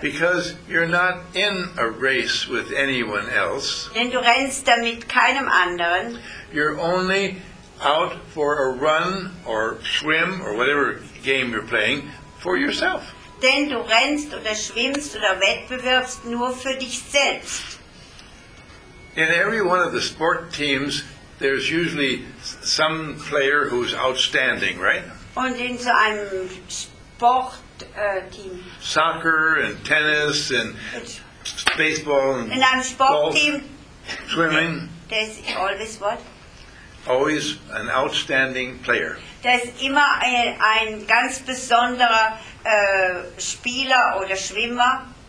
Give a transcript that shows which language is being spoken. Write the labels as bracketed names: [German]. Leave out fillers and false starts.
[English] Because you're not in a race with anyone else. [German] Denn du rennst damit keinem anderen. [English] You're only out for a run or swim or whatever game you're playing for yourself. [German] denn du rennst oder schwimmst oder wettbewirbst nur für dich selbst. [English] In every one of the sport teams, there's usually some player who's outstanding, right? [German] Und in so einem Sportteam. [English] Soccer and tennis and baseball and [German] in einem Sportteam. [English] Swimming. There's always what? Always an outstanding player. There's [German] immer ein ganz besonderer Spieler oder Schwimmer.